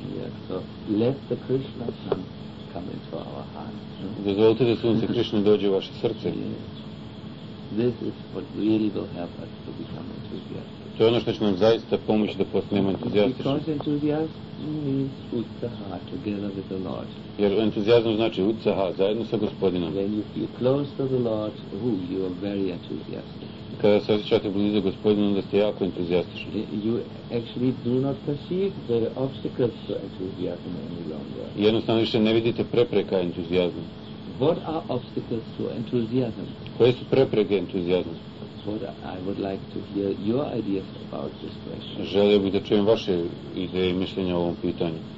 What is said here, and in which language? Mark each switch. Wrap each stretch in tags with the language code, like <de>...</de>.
<en>Yes, so let the Krishna sun come into our hearts.</en> <bs>Dozvolite da sunce Krišne dođe u vaše srce.</bs> <en>This is what really will help us to become enthusiastic.</en> <bs>To je ono što će nam zaista pomoći da postanemo entuzijastični.</bs> <en>Because enthusiasm means utsaha together with the Lord.</en> <bs>Jer entuzijazam znači utsaha zajedno sa gospodinom.</bs> <en>When you feel close to the Lord, you are very enthusiastic.</en> <bs>Kada se osjećate blizu gospodinu, onda ste jako entuzijastični.</bs> <en>You actually do not perceive the obstacles to enthusiasm any longer.</en> <bs>Jednostavno više ne vidite prepreka entuzijazmu.</bs> <en>What are obstacles to enthusiasm?</en> <bs>Koje su prepreke entuzijazmu?</bs> <en>I would like to hear your ideas about this question.</en> <bs>Želio bih da čujem vaše ideje i mišljenja o ovom pitanju.</bs>